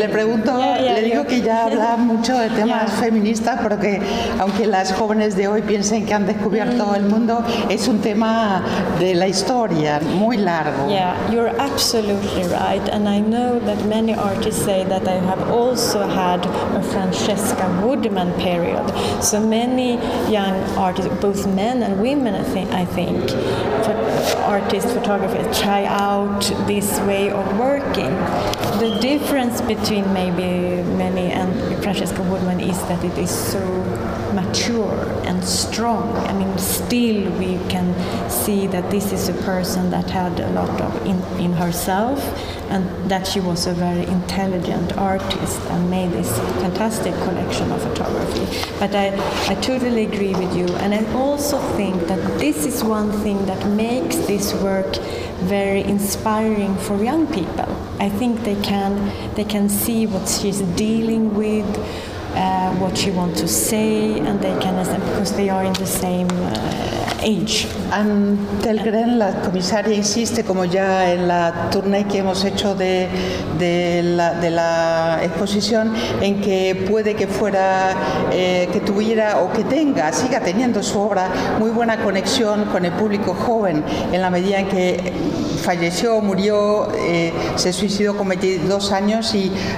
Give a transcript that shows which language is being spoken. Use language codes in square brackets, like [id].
[es] Le pregunto, le digo que ya habla mucho de temas feministas, pero que aunque las jóvenes de hoy piensen que han descubierto el mundo, es un tema de la historia, muy largo. [en] Yeah, you're absolutely right. And I know that many artists say that I have also had a Francesca Woodman period. So many young artists, both men and women, I think, artist photographers try out this way of working. The difference between maybe many and Francesca Woodman is that it is so mature and strong. I mean, still we can see that this is a person that had a lot of in herself, and that she was a very intelligent artist and made this fantastic collection of photography. But I totally agree with you, and I also think that this is one thing that makes this work very inspiring for young people. I think they can see what she's dealing with, what she wants to say, and they can listen because they are in the same age. [es] And Telgren, la comisaria, insiste, como ya en la tournée que hemos hecho de la exposición, en que puede que fuera que tuviera o que tenga, siga teniendo su obra, muy buena conexión con el público joven, en la medida en que falleció, murió, se suicidó con 22 años y